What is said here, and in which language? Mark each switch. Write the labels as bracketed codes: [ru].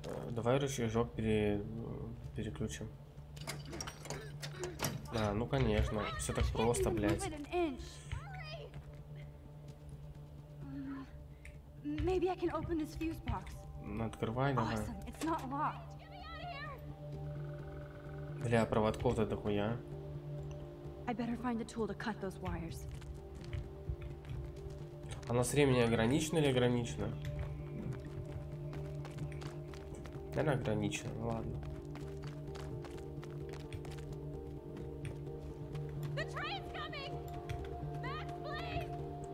[ru] Давай рычажок переключим. Да, ну конечно, все так просто, блядь. [en] Maybe I can open this fuse box. [ru] Открывай, давай. [en] Awesome. It's not locked. [ru] Бля, проводков-то дохуя. [en] I better find a tool to cut those wires. [ru] А у нас времени ограничено или ограничено? Наверное, ограничено, ну ладно. [en] The train's coming! Max, please!